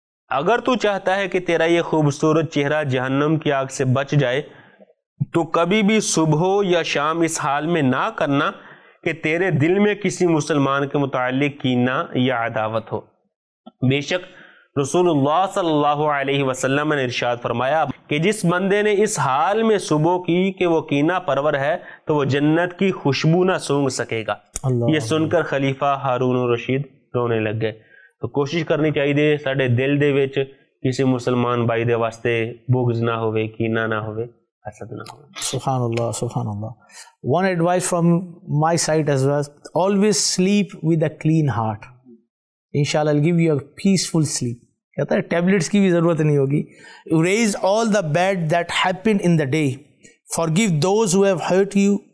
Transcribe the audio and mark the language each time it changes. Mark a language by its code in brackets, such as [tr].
[ur] Agar tu chahta hai ki tera ye khoobsurat chehra jahannam ki aag se bach jaye, تو کبھی بھی صبح ہو یا شام اس حال میں نہ کرنا کہ تیرے دل میں کسی مسلمان کے متعلق کینہ یا عداوت ہو. بے شک رسول اللہ صلی اللہ علیہ وسلم نے ارشاد فرمایا کہ جس بندے نے اس حال میں صبح کی کہ وہ کینہ پرور ہے تو وہ جنت کی خوشبو نہ سونگ سکے گا. یہ سن کر خلیفہ ہارون رشید رونے لگ گئے. [pa] تو کوشش کرنی چاہیے دے ساڑے دل دے وچ کسی مسلمان بھائی دے واسطے بغض نہ ہوئے کینہ نہ ہوئے. [ar] Subhanallah, subhanallah. [en] One advice from my side as well, always sleep with a clean heart. Inshallah, I'll give you a peaceful sleep. Tablets [ur] ki bhi zarurat nahi hogi. [en] Erase all the bad that happened in the day. Forgive those who have hurt you.